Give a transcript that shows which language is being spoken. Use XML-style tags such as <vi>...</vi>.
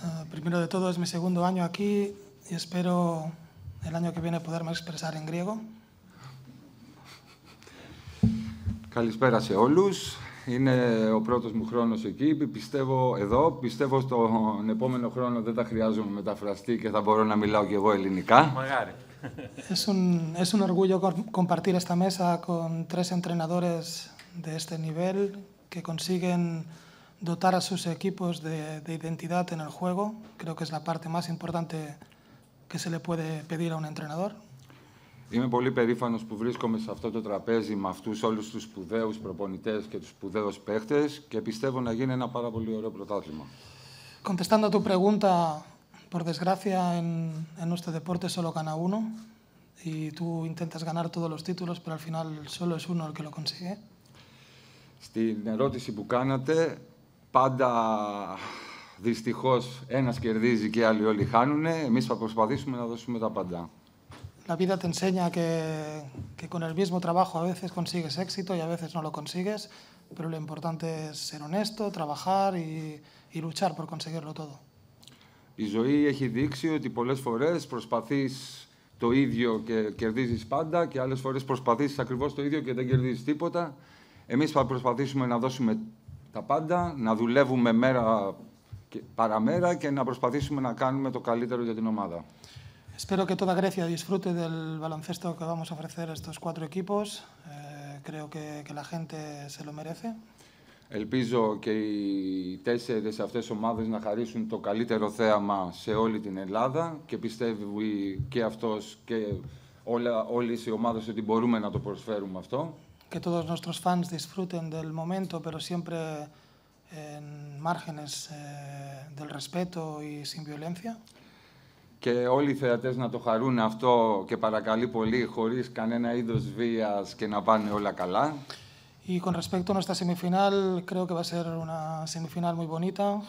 <es>Primero de todo, es mi segundo año aquí y espero el año que viene poderme expresar en griego.</es> <el>Καλησπέρα σε όλους. Είναι ο πρώτος μου χρόνος εκεί. Πιστεύω εδώ. Πιστεύω στον επόμενο χρόνο δεν θα χρειάζομαι μεταφραστή και θα μπορώ να μιλάω και εγώ ελληνικά. Μαγάρι.</el> <es>Es un orgullo compartir esta mesa con tres entrenadores de este nivel que consiguen dotar a sus equipos de identidad en el juego. Creo que es la parte más importante que se le puede pedir a un entrenador.</es> <el>Είμαι πολύ περήφανος που βρίσκομαι σε αυτό το τραπέζι με αυτούς όλους τους σπουδαίους προπονητές και τους σπουδαίους παίχτες και πιστεύω να γίνει ένα πάρα πολύ ωραίο πρωτάθλημα.</el> <es>Contestando tu pregunta, por desgracia, en nuestro deporte solo gana uno y tú intentas ganar todos los títulos, pero al final solo es uno el que lo consigue.</es> <el>Στην ερώτηση που κάνατε, πάντα δυστυχώς ένας κερδίζει και άλλοι όλοι χάνουν. Εμείς θα προσπαθήσουμε να δώσουμε τα πάντα.</el> <es>La vida te enseña que con el mismo trabajo a veces consigues éxito y a veces no lo consigues, pero lo importante es ser honesto, trabajar y luchar por conseguirlo todo.</es> <el>Η ζωή έχει δείξει ότι πολλές φορές προσπαθείς το ίδιο και κερδίζεις πάντα και άλλες φορές προσπαθείς ακριβώς το ίδιο και δεν κερδίζεις τίποτα. Εμείς θα προσπαθήσουμε να δώσουμε τα πάντα, να δουλεύουμε μέρα παραμέρα και να προσπαθήσουμε να κάνουμε το καλύτερο για την ομάδα.</el> <es>Espero que toda Grecia disfrute del baloncesto que vamos a ofrecer estos cuatro equipos. Creo que la gente se lo merece.</es> <el>Ελπίζω και οι τέσσερις αυτές ομάδες να χαρίσουν το καλύτερο θέαμα σε όλη την Ελλάδα και πιστεύω και αυτός και όλες οι ομάδες ότι μπορούμε να το προσφέρουμε αυτό.</el> <es>Και todos nuestros fans disfruten del momento, pero siempre en márgenes del respeto y sin violencia.</es> <el>Και όλοι οι θεατές να το χαρούν αυτό και παρακαλεί πολύ χωρίς κανένα είδος βίας και να πάνε όλα καλά.</el> <es>Y con respecto a nuestra semifinal, creo que va a ser una semifinal muy bonita.</es>